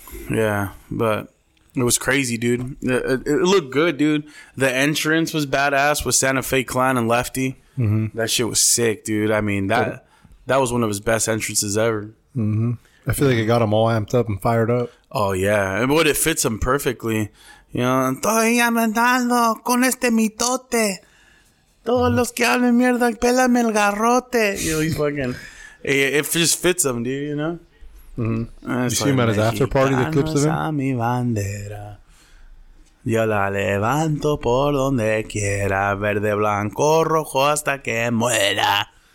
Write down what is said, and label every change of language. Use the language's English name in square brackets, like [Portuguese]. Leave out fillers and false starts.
[English] Yeah, but it was crazy, dude. It looked good, dude. The entrance was badass with Santa Fe Clan and Lefty. Mm-hmm. That shit was sick, dude. I mean, that was one of his best entrances ever. Mm-hmm. I feel like it got them all amped up and fired up. Oh, yeah. But it fits them perfectly. You know, [Spanish] todavía me andando con este mitote. Todos los que hablan mierda, pélame el garrote. [English] You know, he's fucking... it just fits him, dude, you know? Mm-hmm. You see him at his after party, the clips of him? [Spanish] A mi bandera. Yo la levanto por donde quiera. Verde, blanco, rojo, hasta que muera.